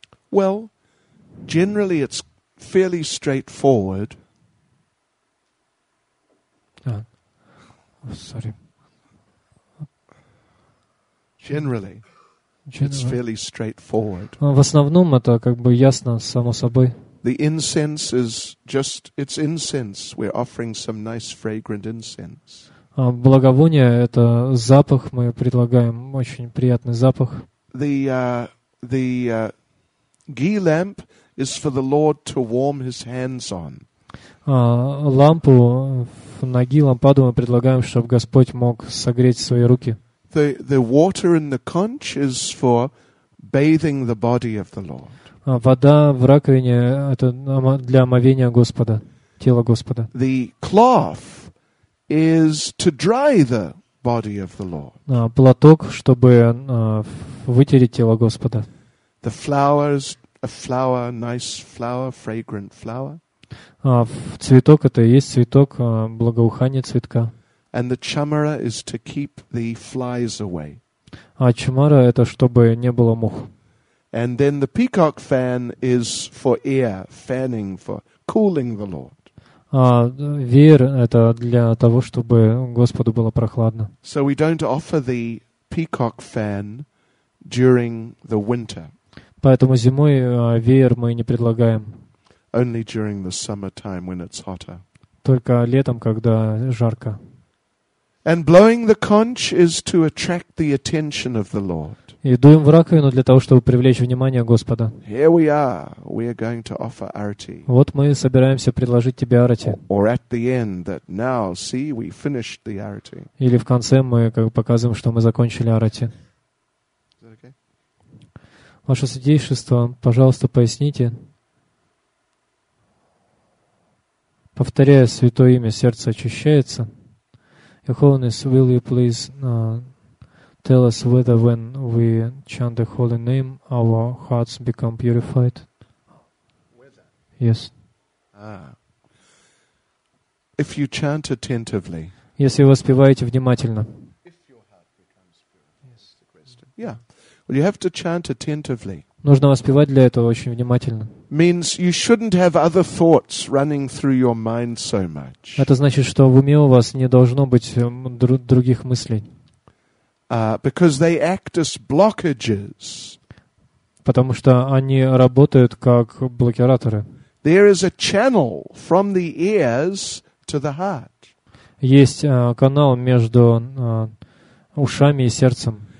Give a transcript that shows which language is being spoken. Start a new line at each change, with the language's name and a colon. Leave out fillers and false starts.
English: Well, generally it's fairly straightforward. It's fairly straightforward.
Russian: В основном это как бы ясно само собой.
English: The incense is just, it's incense. We're offering some nice fragrant incense.
Russian: Благовоние – это запах, мы предлагаем очень приятный запах.
English: The ghee lamp is for the Lord to warm his hands on.
Russian: Лампу, на ghee лампаду мы предлагаем, чтобы Господь мог согреть свои руки.
English: The water in the conch is for bathing the body of the Lord.
Russian: Вода в раковине – это для омовения Господа, тела Господа.
English: The cloth is to dry the body of the Lord.
Russian: Платок, чтобы вытереть тело Господа.
English: The flowers, a flower, nice flower, fragrant flower.
Russian: Цветок – это и есть цветок, благоухание цветка.
English: And the chamara is to keep the flies away.
Russian: А чамара – это чтобы не было мух.
English: And then the peacock fan is for air, fanning, for cooling the Lord.
Russian: Веер – это для того, чтобы Господу было прохладно.
English: So we don't offer the peacock fan during the winter.
Russian: Поэтому зимой веер мы не предлагаем.
English: Only during the summertime when it's hotter.
Russian: Только летом, когда жарко.
English: And blowing the conch is to attract the attention of the Lord.
Russian: И дуем в раковину для того, чтобы привлечь внимание Господа.
English: Here we are. We are going to offer arati.
Russian: Вот мы собираемся предложить тебе арати.
English: Or at the end that now see we finished the arati.
Russian: Или в конце мы как бы показываем, что мы закончили арати.
English: Is that okay?
Russian: Ваше святейшество, пожалуйста, поясните. Повторяя святое имя, сердце очищается.
English: Your Holiness, will you please tell us whether when we chant the holy name, our hearts become purified? Whether? Yes. Ah. If you chant attentively.
Russian: Если вы воспеваете внимательно.
English: If your heart becomes pure. Yes, the question. Yeah. Well, you have to chant attentively.
Russian: Нужно воспевать для этого очень внимательно.
English: Means you shouldn't have other thoughts running through your mind so much.
Russian: Это значит, что в уме у вас не должно быть других мыслей.
English: Because they act as blockages.
Russian: Потому что они работают как блокираторы.
English: There is a channel from the ears to the heart.
Russian: Есть канал между ушами и сердцем.